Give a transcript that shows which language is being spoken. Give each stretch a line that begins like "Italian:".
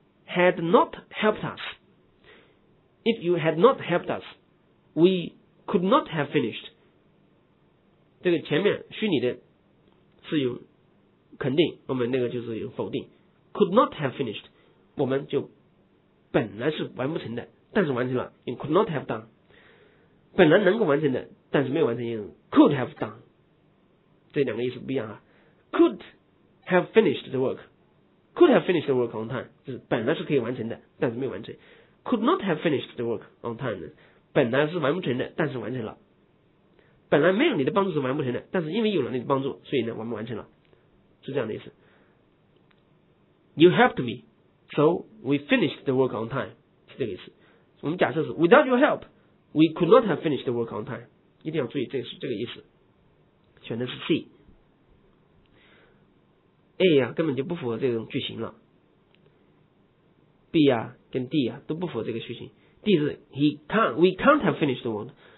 English: had not helped us, if you had not helped us, we could not have finished.
Chinese: 这个前面虚拟的是有肯定，我们那个就是有否定。
English: Could not have finished,
Chinese: 我们就本来是完不成的，但是完成了 ,
English: you could not have done.
Chinese: 本来能够完成的，但是没有完成 ,
English: you could have done.
Chinese: 这两个意思不一样啊。
English: Could have finished the work, could have finished the work on time,
Chinese: 就是本来是可以完成的，但是没有完成。
English: Could not have finished the work on time,
Chinese: 本来是完不成的，但是完成了。本来没有你的帮助是完不成的，但是因为有了你的帮助，所以呢我们完成了，是这样的意思。
English: You helped me, so we finished the work on time,
Chinese: 是这个意思。我们假设是
English: without your help, we could not have finished the work on time,
Chinese: 一定要注意这个是这个意思。选的是 C。 A 呀、啊、根本就不符合这种句型了。B 呀、啊、跟 D 呀、啊、都不符合这个句型。
English: D 是 we can't have finished the work.